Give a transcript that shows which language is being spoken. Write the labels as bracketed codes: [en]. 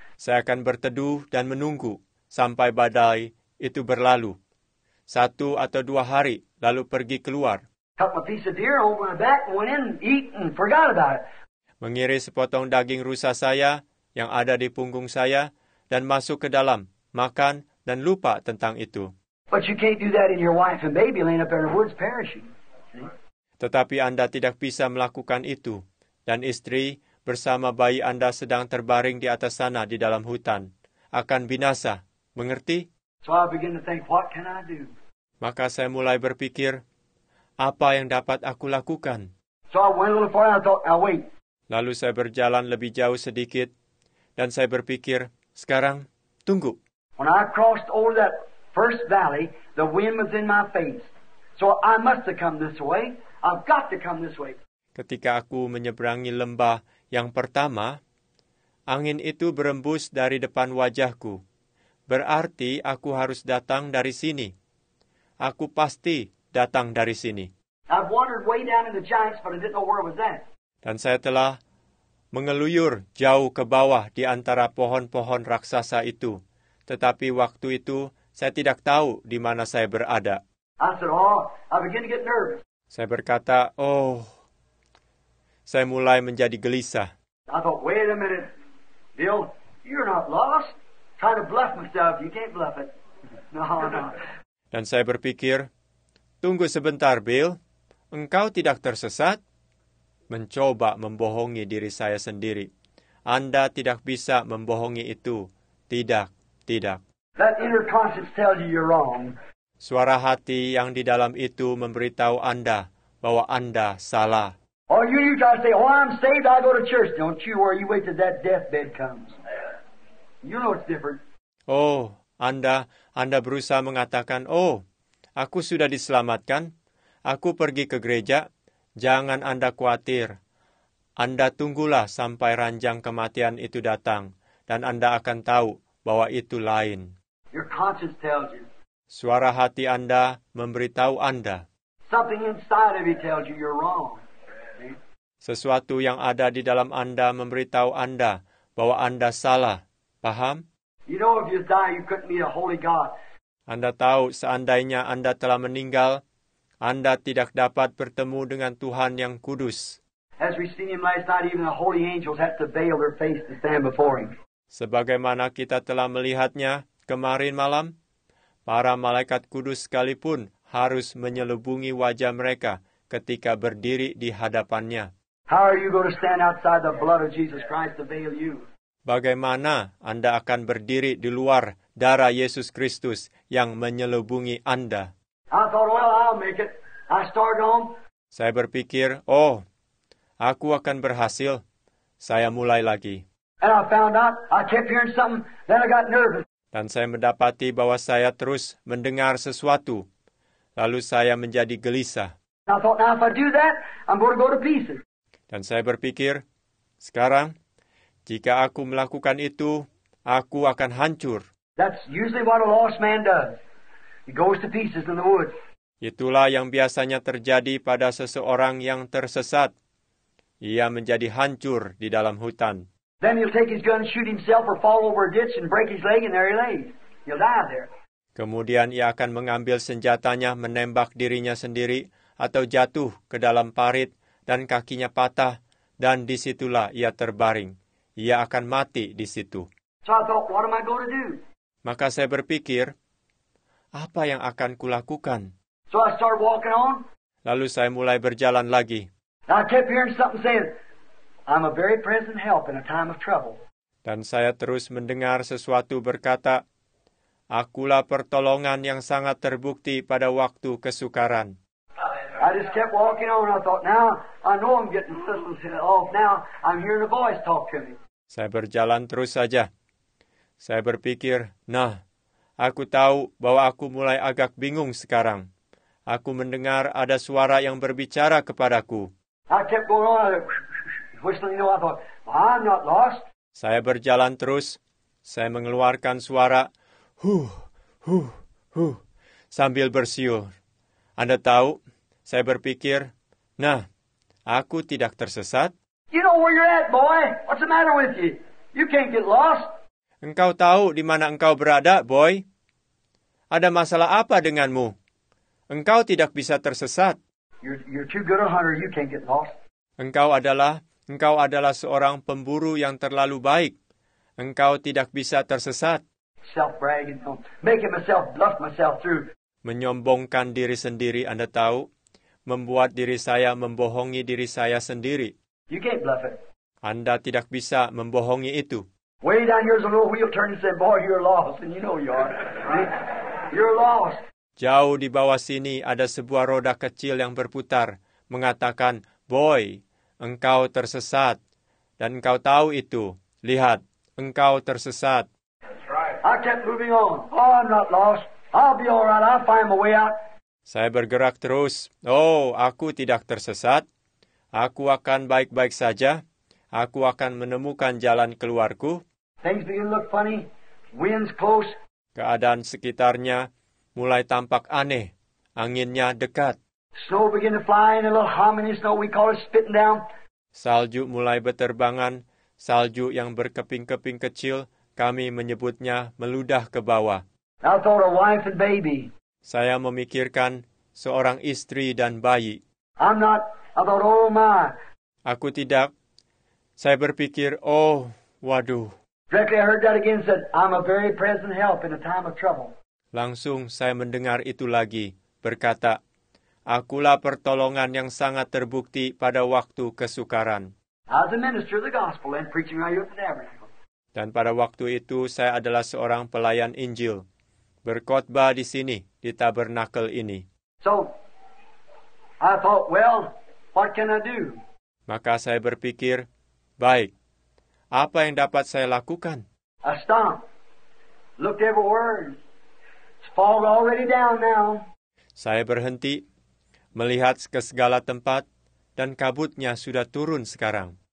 [id] Saya akan berteduh dan menunggu sampai badai itu berlalu. Satu atau dua hari, lalu pergi keluar. [en] Cut my piece of deer over my back, went in, eat, and forgot about it. [id] Mengiris sepotong daging rusa saya yang ada di punggung saya dan masuk ke dalam, makan, dan lupa tentang itu. [en] But you can't do that in your wife and baby laying up in the woods perishing. [id] Tetapi Anda tidak bisa melakukan itu, dan istri bersama bayi Anda sedang terbaring di atas sana di dalam hutan. Akan binasa, mengerti? [en] So I begin to think, what can I do? [id] Maka saya mulai berpikir, apa yang dapat aku lakukan? [en] So I went a little farther and I thought, I'll wait. [id] Lalu saya berjalan lebih jauh sedikit, dan saya berpikir, sekarang, tunggu. [en] When I crossed over that first valley, the wind was in my face. So I must have come this way. I've got to come this way. [id] Ketika aku menyeberangi lembah yang pertama, angin itu berembus dari depan wajahku. Berarti aku harus datang dari sini. Aku pasti datang dari sini. [en] I've wandered way down in the giants, but I didn't know where it was at. [id] Dan saya telah mengeluyur jauh ke bawah di antara pohon-pohon raksasa itu. Tetapi waktu itu, saya tidak tahu di mana saya berada. [en] I said, oh, I begin to get nervous. [id] Saya berkata, oh, saya mulai menjadi gelisah. [en] I thought, wait a minute, Bill, you're not lost. Try to bluff myself, you can't bluff it. No, no. [id] Dan saya berpikir, tunggu sebentar, Bill. Engkau tidak tersesat? Mencoba membohongi diri saya sendiri. Anda tidak bisa membohongi itu. Tidak, tidak. [en] That inner conscience tells you you're wrong. [id] Suara hati yang di dalam itu memberitahu Anda bahwa Anda salah. [en] Or you try to say, oh, I'm saved, I go to church. Don't you worry, you wait till that deathbed comes. You know it's different. [id] Oh, Anda berusaha mengatakan, oh, aku sudah diselamatkan. Aku pergi ke gereja. Jangan Anda khawatir. Anda tunggulah sampai ranjang kematian itu datang, dan Anda akan tahu bahwa itu lain. [en] Your conscience tells you. [id] Suara hati Anda memberitahu Anda. [en] Something inside of you tells you you're wrong. [id] Sesuatu yang ada di dalam Anda memberitahu Anda bahwa Anda salah. Paham? [en] You know, if you die, you couldn't meet a holy God. [id] Anda tahu, seandainya Anda telah meninggal, Anda tidak dapat bertemu dengan Tuhan yang kudus. [en] As we seen him last night, even the holy angels have to veil their face to stand before him. [id] Sebagaimana kita telah melihatnya kemarin malam, para malaikat kudus sekalipun harus menyelubungi wajah mereka ketika berdiri di hadapannya. [en] How are you going to stand outside the blood of Jesus Christ to veil you? [id] Bagaimana Anda akan berdiri di luar darah Yesus Kristus yang menyelubungi Anda? [en] I thought, well, I'll make it. I started on. [id] Saya berpikir, oh, aku akan berhasil. Saya mulai lagi. [en] And I found out, I kept hearing something, then I got nervous. [id] Dan saya mendapati bahwa saya terus mendengar sesuatu. Lalu saya menjadi gelisah. [en] I thought, now if I do that, I'm going to go to pieces. [id] Dan saya berpikir, sekarang, jika aku melakukan itu, aku akan hancur. [en] That's usually what a lost man does. He goes to pieces in the woods. [id] Itulah yang biasanya terjadi pada seseorang yang tersesat. Ia menjadi hancur di dalam hutan. [en] Then he'll take his gun, shoot himself, or fall over a ditch and break his leg, and there he lays. He'll die there. [id] Kemudian ia akan mengambil senjatanya, menembak dirinya sendiri, atau jatuh ke dalam parit, dan kakinya patah, dan disitulah ia terbaring. Ia akan mati di situ. [en] So I thought, what am I going to do? [id] Maka saya berpikir, apa yang akan kulakukan? [en] So I started walking on. [id] Lalu saya mulai berjalan lagi. [en] I kept hearing something saying, I'm a very present help in a time of trouble. [id] Dan saya terus mendengar sesuatu berkata, akulah pertolongan yang sangat terbukti pada waktu kesukaran. [en] I just kept walking on. I thought, now I know I'm getting systems off. Now I'm hearing a voice talk to me. [id] Saya berjalan terus saja. Saya berpikir, nah, aku tahu bahwa aku mulai agak bingung sekarang. Aku mendengar ada suara yang berbicara kepadaku. [en] I kept going on, whistling, you know, I thought, well, I'm not lost. [id] Saya berjalan terus. Saya mengeluarkan suara, huh, huh, huh, sambil bersiul. Anda tahu, saya berpikir, nah, aku tidak tersesat. [en] You know where you're at, boy. What's the matter with you? You can't get lost. [id] Engkau tahu di mana engkau berada, boy. Ada masalah apa denganmu? Engkau tidak bisa tersesat. [en] You're too good a hunter. You can't get lost. [id] Engkau adalah seorang pemburu yang terlalu baik. Engkau tidak bisa tersesat. [en] Self-bragging, making myself bluff myself through. [id] Menyombongkan diri sendiri, Anda tahu, membuat diri saya membohongi diri saya sendiri. [en] You can't bluff it. [id] Anda tidak bisa membohongi itu. [en] Way down here's a little wheel turning, said, "Boy, you're lost," and you know you are. You're lost. [id] Jauh di bawah sini ada sebuah roda kecil yang berputar, mengatakan, "Boy, engkau tersesat," dan engkau tahu itu. Lihat, engkau tersesat. [en] I kept moving on. Oh, I'm not lost. I'll be all right. I'll find my way out. [id] Saya bergerak terus. Oh, aku tidak tersesat. Aku akan baik-baik saja. Aku akan menemukan jalan keluarku. [en] Things begin to look funny. Wind's close. [id] Keadaan sekitarnya mulai tampak aneh. Anginnya dekat. [en] Snow begin to fly in a little hominy snow. We call it spitting down. [id] Salju mulai berterbangan. Salju yang berkeping-keping kecil, kami menyebutnya meludah ke bawah. [en] I thought a wife and baby. [id] Saya memikirkan seorang istri dan bayi. [en] I'm not. I thought, oh my. [id] Aku tidak. Saya berpikir, oh, waduh. [en] Directly I heard that again, said, I'm a very present help in a time of trouble. [id] Langsung saya mendengar itu lagi, berkata, akulah pertolongan yang sangat terbukti pada waktu kesukaran. [en] As a minister of the gospel and preaching right here at the tabernacle. [id] Dan pada waktu itu saya adalah seorang pelayan Injil, berkhotbah di sini, di tabernakel ini. [en] So, I thought, well, what can I do? [id] Maka saya berpikir, baik, apa yang dapat saya lakukan? [en] I stopped, looked everywhere. It's fog already down now. [id] Saya berhenti, melihat ke segala tempat. Dan kabutnya sudah turun sekarang.